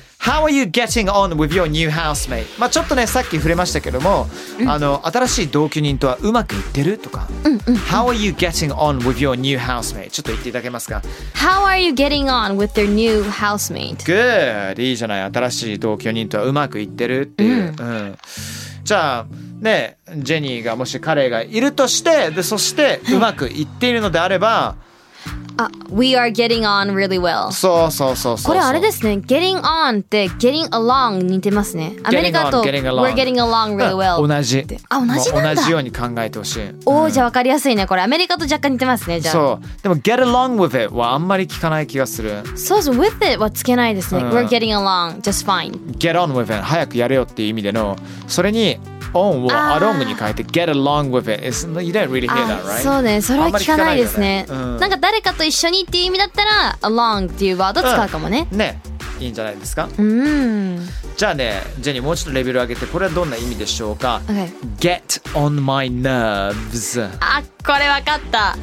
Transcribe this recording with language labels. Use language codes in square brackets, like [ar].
[en] How are you getting on with your new housemate? [ja] まあちょっとねさっき触れましたけども、うん、あの新しい同居人とはうまくいってるとか、うんうんうん、 [en] How are you getting on with your new housemate? [ja] ちょっと言っていただけますか。 [en] How are you getting on with your new housemate? Good! [ja] いいじゃない、新しい同居人とはうまくいってるっていう、うんうん、じゃあねジェニーがもし彼がいるとしてでそしてうまくいっているのであれば、はい、 [en] We are getting on really well. [ja] そうそうそうそう。これあれですね。Getting on って Getting along 似てますね。アメリカと [en] getting along. We're getting along really well. [ja] 同じ。あ、同じなんだ。同じように考えてほしい。おお、じゃあ分かりやすいね。これアメリカと若干似てますね。じゃあ。そう。でも [en] Get along with it [ja] はあんまり聞かない気がする。そうそう。With it はつけないですね。うん、 [en] We're getting along just fine. Get on with it [ja] 早くやれよっていう意味での、それに。 [en] On を along [ja] に変えて [en] get along with it. It's, you don't really hear that, right? [ja] そうね、それは聞かないですね。なんか誰かと一緒にっていう意味だったら along っていうワード使うかもね。ね、いいんじゃないですか。うん。じゃあね、ジェニーもうちょっとレベル上げて、これはどんな意味でしょうか。 [en] Okay. Get on my nerves. [ja] あ、これ分かった。